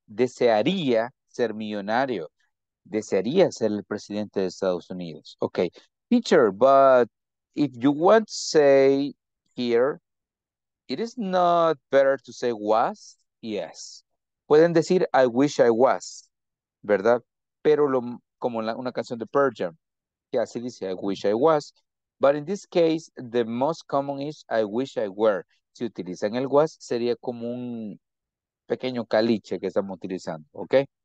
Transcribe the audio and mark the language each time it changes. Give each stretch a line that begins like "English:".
Spanish: Desearía ser millonario. Desearía ser el presidente de Estados Unidos. Okay.
English: Teacher, but if you want to say here, it is not better to say was, yes.
Spanish: Pueden decir,
English: I wish I was,
Spanish: ¿verdad? Pero lo, como la, una canción de Pearl Jam, que así dice,
English: I wish I was. But in this case, the most common is, I wish I were.
Spanish: Si utilizan el was, sería como un pequeño caliche que estamos utilizando, ¿ok?